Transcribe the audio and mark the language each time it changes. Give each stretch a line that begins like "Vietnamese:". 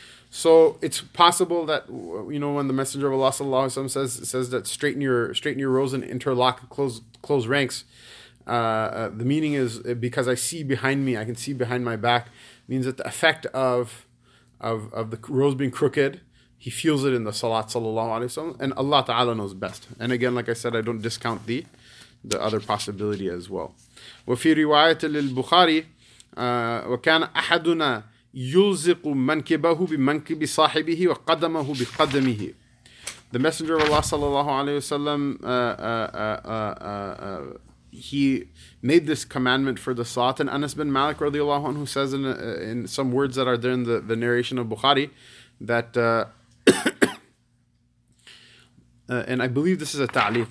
English: So it's possible that, you know, when the Messenger of Allah sallallahu alaihi wasallam says that straighten your rows and interlock, close ranks, the meaning is because I see behind me, I can see behind my back, means that the effect of the rows being crooked, he feels it in the salat sallallahu alaihi wasallam, and Allah Ta'ala knows best. And again, like I said, I don't discount the other possibility as well.
Arabic: وفي رواية للبخاري وكان أحدنا يلزق منكبه بمنكب صاحبه وقدمه بقدمه.
English: The Messenger of Allah sallallahu alaihi wasallam, he made this commandment for the salat. And Anas bin Malik radiallahu anhu says in some words that are there in the narration of Bukhari, that and I believe this is a ta'liq.